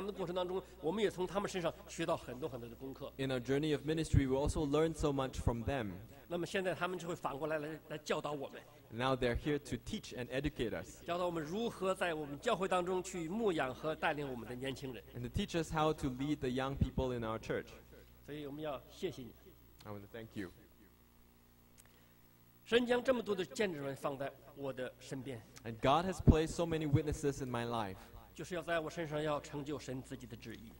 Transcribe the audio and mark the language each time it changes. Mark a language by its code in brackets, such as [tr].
[zh] 在我们服侍的路上，我们从他们在牧养、在抚养他们的过程当中，我们也从他们身上学到很多很多的功课。 [en] In our journey of ministry, we also learned so much from them. [zh] 那么现在他们就会反过来来教导我们。 [en] Now they're here to teach and educate us. [zh] 教导我们如何在我们教会当中去牧养和带领我们的年轻人。 [en] And to teach us how to lead the young people in our church. [zh] 所以我们要谢谢你。 [en] I want to thank you. [zh] 神将这么多的见证人放在我的身边。 [en] And God has placed so many witnesses in my life. [zh] 就是要在我身上要成就神自己的旨意。